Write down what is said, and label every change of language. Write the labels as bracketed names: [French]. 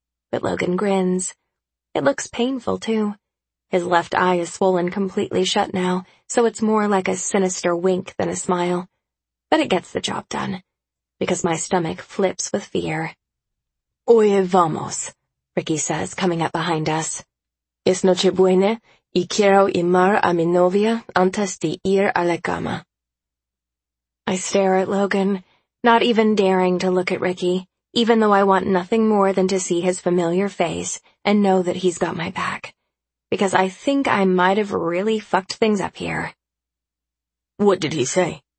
[English] But Logan grins. It looks painful, too. His left eye is swollen completely shut now, so it's more like a sinister wink than a smile. But it gets the job done, because my stomach flips with fear. [Spanish] Oye, vamos, [English] Ricky says, coming up behind us. [Spanish] Es noche buena, y quiero llamar a mi novia antes de ir a la cama. [English] I stare at Logan, not even daring to look at Ricky, even though I want nothing more than to see his familiar face and know that he's got my back. Because I think I might have really fucked things up here. What did he say?